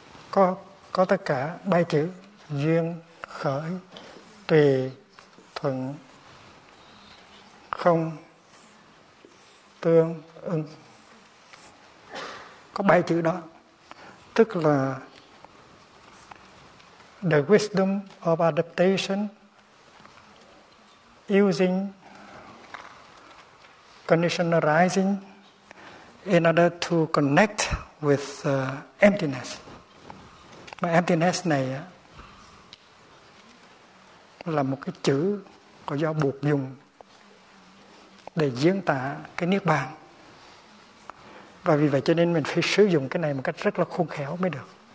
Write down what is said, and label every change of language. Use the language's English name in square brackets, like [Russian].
[Vietnamese] có tất cả ba chữ duyên khởi tùy thuận không tương ứng, có ba chữ đó. Tức là [English] the wisdom of adaptation using condition arising in order to connect with emptiness. [Vietnamese] Mà emptiness này là một cái chữ có do buộc dùng để diễn tả cái niết bàn. Và vì vậy cho nên mình phải sử dụng cái này một cách rất là khôn khéo mới được.